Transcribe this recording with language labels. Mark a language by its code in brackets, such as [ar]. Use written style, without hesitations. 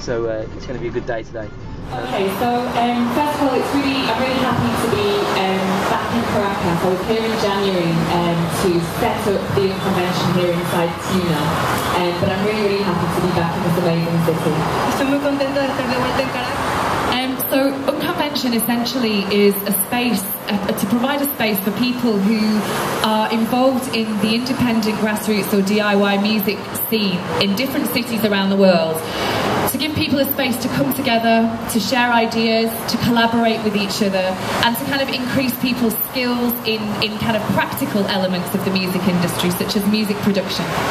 [en] So it's going to be a good day today. Okay, so first of all, I'm really happy to be back in Caracas. I was here in January to set up the convention here inside Tiuna, but I'm really, really happy to be back in this amazing city. [es] Estoy muy contenta de estar de vuelta en Caracas. [en] So Unconvention essentially is a space, to provide a space for people who are involved in the independent grassroots or DIY music scene in different cities around the world. To give people a space to come together, to share ideas, to collaborate with each other, and to kind of increase people's skills in kind of practical elements of the music industry, such as music production.